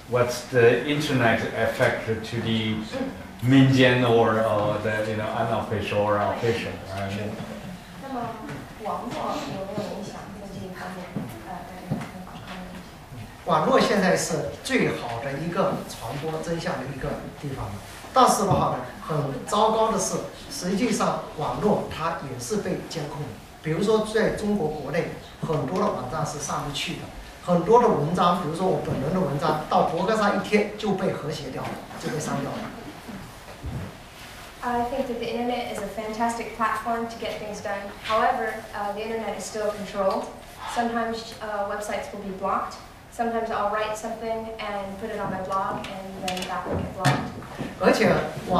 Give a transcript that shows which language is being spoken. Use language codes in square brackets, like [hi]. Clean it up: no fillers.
[en] What's the internet effect to the Minjian or the you know unofficial or official? Right? Sure. [zh] 网络有没有影响这个地方呢？网络现在是最好的一个传播真相的一个地方，但是的话呢，很糟糕的是，实际上网络它也是被监控的。比如说在中国国内，很多的网站是上不去的，很多的文章，比如说我本人的文章，到博客上一贴就被和谐掉了，就被删掉了。 [en] I think that the internet is a fantastic platform to get things done. However, the internet is still controlled. Sometimes websites will be blocked. Sometimes I'll write something and put it on my blog, and then that will get blocked.